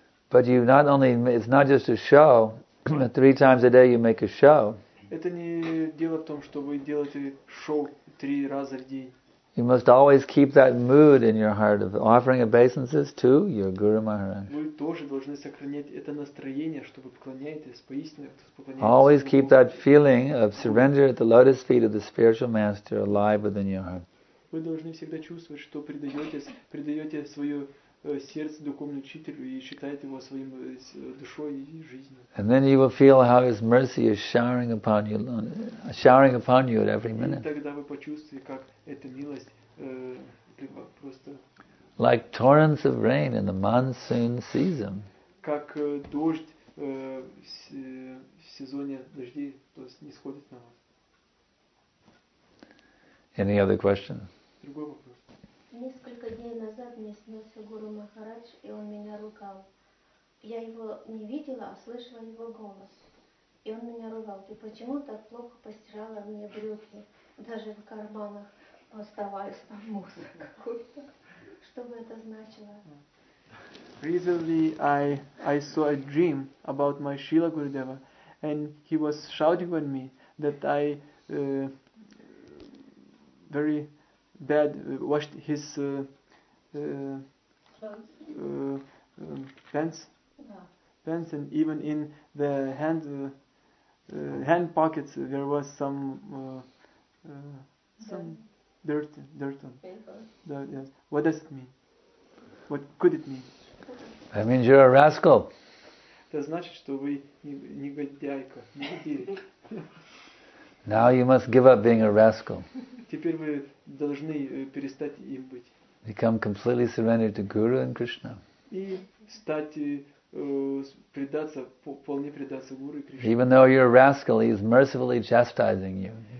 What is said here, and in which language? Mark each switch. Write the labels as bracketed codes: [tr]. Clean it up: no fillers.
[en] But you not only, it's not just a show, three times a day you make a show. [ru] Это не дело в том, что вы делаете шоу три раза в день. [en] You must always keep that mood in your heart of offering obeisances to your Guru Maharaj. [ru] Вы тоже должны сохранять это настроение, что вы поклоняетесь поистине. [en] Always keep that feeling of surrender at the lotus feet of the spiritual master alive within your heart. [ru] Вы должны всегда чувствовать, что предаете свое сердце духовному учителю и считаете его своим душой и жизнью. [en] And then you will feel how his mercy is showering upon you at every minute. [ru] И тогда вы почувствуете, как эта милость просто [en] like torrents of rain in the monsoon season. [ru] Как дождь в сезоне дождей, то есть нисходит на вас. [en] Any other question? [ru] Другой вопрос. Несколько дней назад мне снился Гуру Махарадж, и он меня ругал. Я его не видела, а слышала его голос. И он меня ругал. Ты почему так плохо постирала мне брюки? Даже в карманах оставались там мусор какой-то. Что бы это значило? [en] Recently I saw a dream about my Srila Gurudeva, and he was shouting at me that I very bad washed his pants, and even in the hand pockets there was some dirt on. Paper. Yes. What does it mean? What could it mean? That means you're a rascal. [ru] Это значит, что вы негодяйка. [en] Now you must give up being a rascal. [ru] Теперь вы должны перестать им быть. [en] Become completely surrendered to Guru and Krishna. [ru] И стать предаться, вполне предаться Гуру и Кришне. [en] Even though you're a rascal, he is mercifully chastising you.